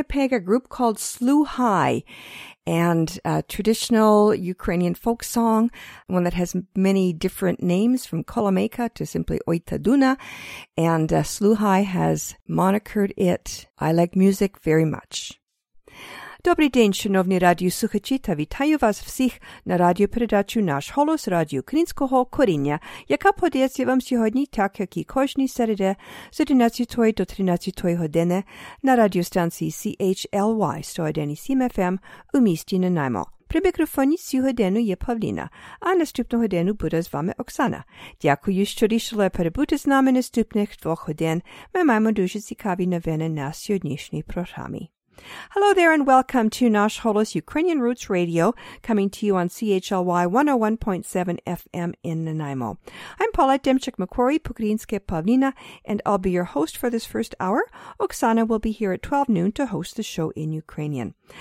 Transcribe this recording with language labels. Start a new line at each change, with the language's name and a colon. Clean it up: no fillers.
English: A group called Sluhai, and a traditional Ukrainian folk song, one that has many different names from Kolomeika to simply Oitaduna, and Sluhai has monikered it. I like music very much.
Ukrainian: Добрий день, шановні радіослухачі, та вітаю вас всіх на радіопередачу «Наш голос» радіо українського коріння, яка подається вам сьогодні, так як і кожні середи з 11 до 13 години на радіостанції CHLY 101.7 FM у місті Нанаймо. При мікрофоні цього дену є Павліна, а наступного дену буде з вами Оксана. Дякую, що рішили перебути з нами наступних двох годин. Ми маємо дуже цікаві новини на сьогоднішній програмі.
English: Hello there and welcome to Nash Holos Ukrainian Roots Radio, coming to you on CHLY 101.7 FM in Nanaimo. I'm Paulette Demchuk-Macquarie, Pukrinske Pavlina, and I'll be your host for this first hour. Oksana will be here at 12 noon to host the show in Ukrainian.